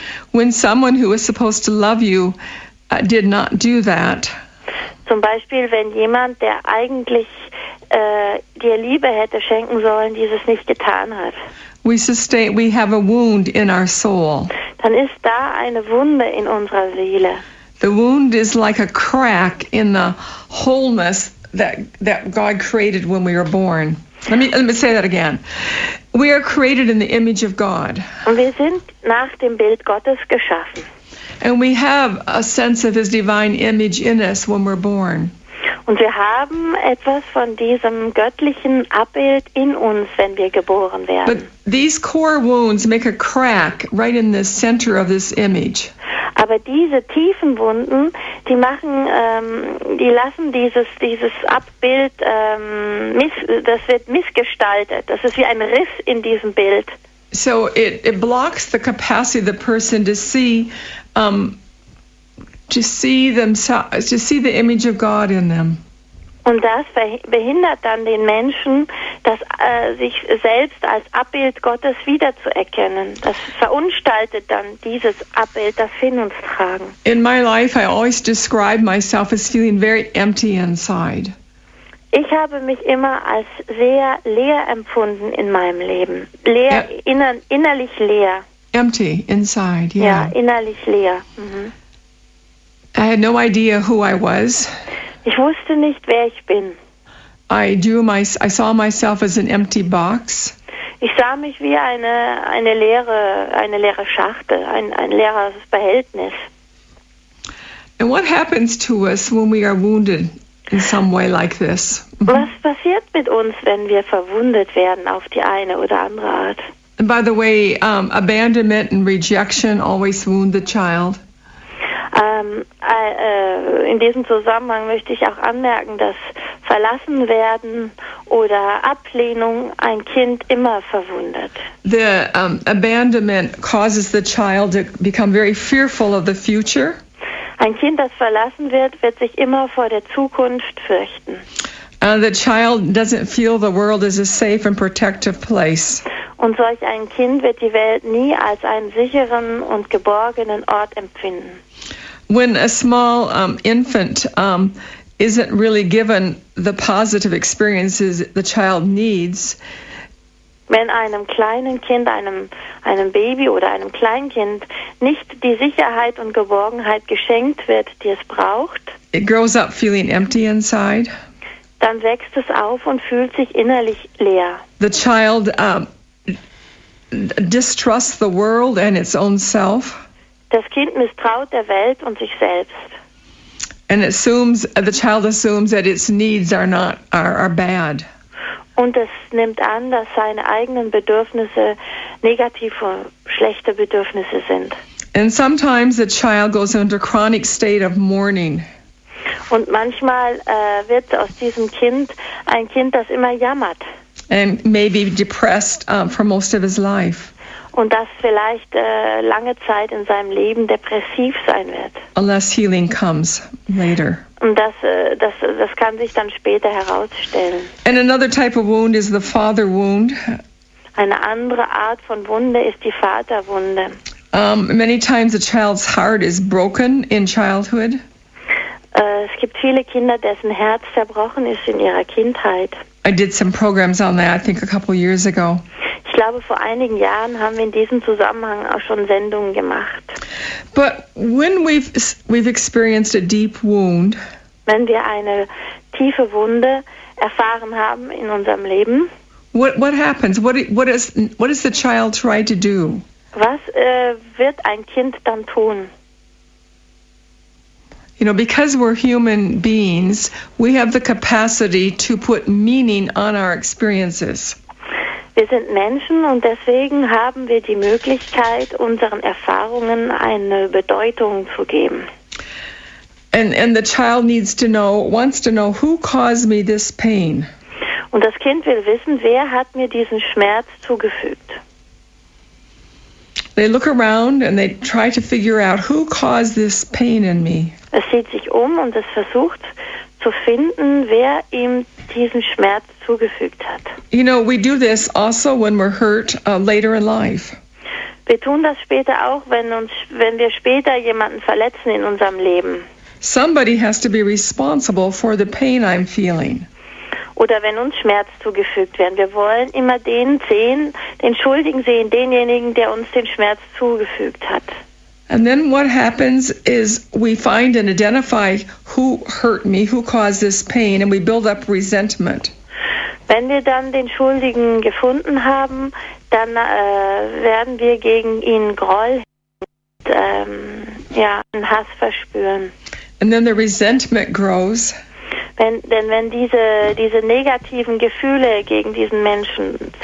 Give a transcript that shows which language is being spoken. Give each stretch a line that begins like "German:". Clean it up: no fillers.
English: When someone who is supposed to love you did not do that.
German: Zum Beispiel, wenn jemand, der eigentlich dir Liebe hätte schenken sollen, dieses nicht getan hat.
English: We have a wound in our soul.
German: Dann ist da eine Wunde in unserer Seele.
English: The wound is like a crack in the wholeness that God created when we were born. Let me say that again. We are created in the image of God.
German: Und wir sind nach dem Bild Gottes geschaffen.
English: And we have a sense of his divine image in us when we're born.
German: Und wir haben etwas von diesem göttlichen Abbild in uns, wenn wir geboren werden.
English: But these core wounds make a crack right in the center of this image.
German: Aber diese tiefen Wunden, die machen, die lassen dieses Abbild, das wird missgestaltet. Das ist wie ein Riss in diesem Bild.
English: So it blocks the capacity of the person to see, to see the image of God in them.
German: Und das behindert dann den Menschen, das sich selbst als Abbild Gottes wiederzuerkennen. Das verunstaltet dann dieses Abbild, das wir in uns tragen.
English: In my life, I always describe myself as feeling very empty inside.
German: Ich habe mich immer als sehr leer empfunden in meinem Leben. Leer, innerlich leer.
English: Empty, inside, yeah.
German: Ja, innerlich leer.
English: Mhm. I had no idea who I was.
German: Ich wusste nicht, wer ich bin.
English: I saw myself as an empty box.
German: Ich sah mich wie eine leere Schachtel, ein leeres Behältnis.
English: And what happens to us when we are wounded in some way like this?
German: Was passiert mit uns, wenn wir verwundet werden auf die eine oder andere Art?
English: And by the way, abandonment and rejection always wound the child.
German: In diesem Zusammenhang möchte ich auch anmerken, dass verlassen werden oder Ablehnung ein Kind immer verwundet.
English: The abandonment causes the child to become very fearful of the future.
German: Ein Kind, das verlassen wird, wird sich immer vor der Zukunft fürchten.
English: The child doesn't feel the world is a safe and protective place.
German: Und solch ein Kind wird die Welt nie als einen sicheren und geborgenen Ort empfinden.
English: When a small infant isn't really given the positive experiences the child needs.
German: Wenn einem kleinen Kind, einem Baby oder einem Kleinkind nicht die Sicherheit und Geborgenheit geschenkt wird, die es braucht,
English: it grows up feeling empty inside.
German: Dann wächst es auf und fühlt sich innerlich leer.
English: The child distrusts the world and its own self.
German: Das Kind misstraut der Welt und sich selbst.
English: And the child assumes that its needs are bad.
German: Und es nimmt an, dass seine eigenen Bedürfnisse negative, schlechte Bedürfnisse sind.
English: And sometimes the child goes into a chronic state of mourning.
German: Und manchmal wird aus diesem Kind ein Kind, das immer jammert.
English: And maybe depressed for most of his life.
German: Und das vielleicht lange Zeit in seinem Leben depressiv sein wird.
English: Unless healing comes later.
German: Und das kann sich dann später herausstellen.
English: And another type of wound is the father wound.
German: Eine andere Art von Wunde ist die Vaterwunde.
English: Many times a child's heart is broken in childhood.
German: Es gibt viele Kinder, dessen Herz zerbrochen ist in ihrer Kindheit.
English: I did some programs on that, I think, a couple years ago.
German: Ich glaube, vor einigen Jahren haben wir in diesem Zusammenhang auch schon Sendungen gemacht.
English: But when we've experienced a deep wound,
German: wenn wir eine tiefe Wunde erfahren haben in unserem Leben,
English: what happens? What does the child try to do?
German: Was wird ein Kind dann tun?
English: You know, because we're human beings, we have the capacity to put meaning on our experiences.
German: Wir sind Menschen und deswegen haben wir die Möglichkeit, unseren Erfahrungen eine Bedeutung zu geben.
English: And the child needs to know, wants to know, who caused me this pain.
German: Und das Kind will wissen, wer hat mir diesen Schmerz zugefügt.
English: They look around and they try to figure out who caused this pain in me.
German: Es sieht sich um und es versucht zu finden, wer ihm diesen Schmerz zugefügt hat.
English: You know, we do this also when we're hurt later in life.
German: Wir tun das später auch, wenn wir später jemanden verletzen in unserem Leben.
English: Somebody has to be responsible for the pain I'm feeling.
German: Oder wenn uns Schmerz zugefügt werden. Wir wollen immer den Schuldigen sehen, denjenigen, der uns den Schmerz zugefügt hat.
English: And then what happens is we find and identify who hurt me, who caused this pain, and we build up resentment.
German: Wenn wir dann den Schuldigen gefunden haben, dann werden wir gegen ihn Groll und einen Hass verspüren.
English: And then the resentment grows.
German: Denn wenn diese negativen Gefühle gegen diesen Menschen zunehmen,